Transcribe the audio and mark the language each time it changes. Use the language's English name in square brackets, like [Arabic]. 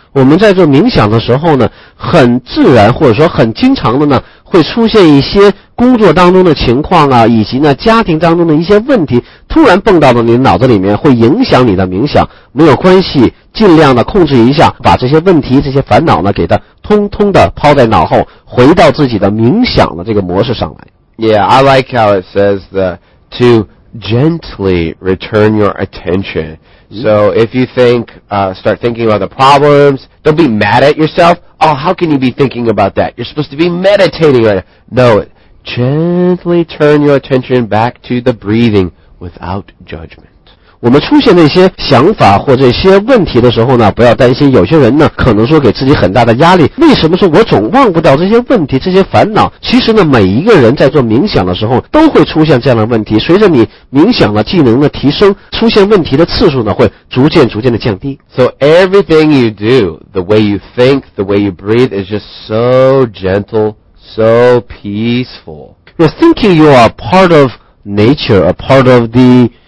[Chinese] 我们在做冥想的时候呢，很自然或者说很经常的呢，会出现一些工作当中的情况啊，以及呢家庭当中的一些问题，突然蹦到了你脑子里面，会影响你的冥想。没有关系，尽量的控制一下，把这些问题、这些烦恼呢，给它通通的抛在脑后，回到自己的冥想的这个模式上来。 [English] Yeah, I like how it says that to gently return your attention. So if you think, start thinking about the problems, don't be mad at yourself. Oh, how can you be thinking about that? You're supposed to be meditating right now. No, gently turn your attention back to the breathing without judgment. [Chinese] 我们出现那些想法或者一些问题的时候呢，不要担心。有些人呢，可能说给自己很大的压力。为什么说我总忘不掉这些问题、这些烦恼？其实呢，每一个人在做冥想的时候都会出现这样的问题。随着你冥想的技能的提升，出现问题的次数呢，会逐渐逐渐的降低。 [English] So everything you do, the way you think, the way you breathe is just so gentle, so peaceful. You're thinking you are part of nature, a part of the.